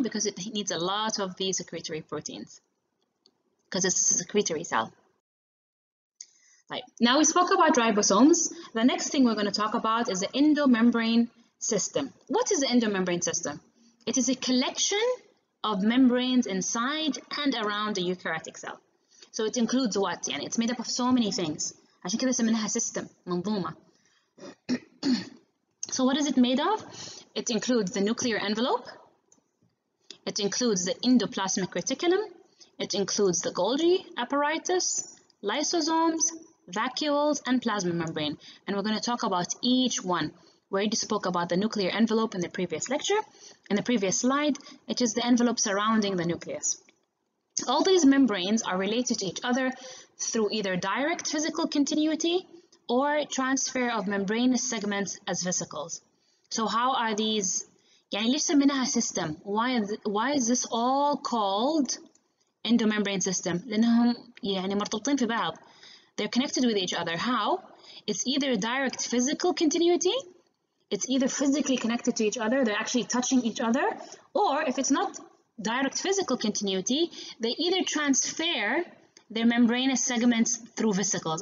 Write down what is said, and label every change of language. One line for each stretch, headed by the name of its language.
English: Because it needs a lot of these secretory proteins, because it's a secretory cell. Right. Now, we spoke about ribosomes. The next thing we're going to talk about is the endomembrane system. What is the endomembrane system? It is a collection of membranes inside and around the eukaryotic cell. So it includes what? يعني it's made up of so many things.
Arabic: عشان كده سميناها system, منظومة.
English: So what is it made of? It includes the nuclear envelope. It includes the endoplasmic reticulum. It includes the Golgi apparatus, lysosomes, vacuoles, and plasma membrane. And we're going to talk about each one. We already spoke about the nuclear envelope in the previous lecture. In the previous slide, it is the envelope surrounding the nucleus. All these membranes are related to each other through either direct physical continuity or transfer of membranous segments as vesicles. So how are these?
Arabic: يعني ليش سميناها system?
English: Why is this all called endomembrane system?
Arabic: لأنهم يعني مرتبطين في بعض.
English: They're connected with each other. How? It's either direct physical continuity. It's either physically connected to each other, they're actually touching each other, or if it's not direct physical continuity, they either transfer their membranous segments through vesicles.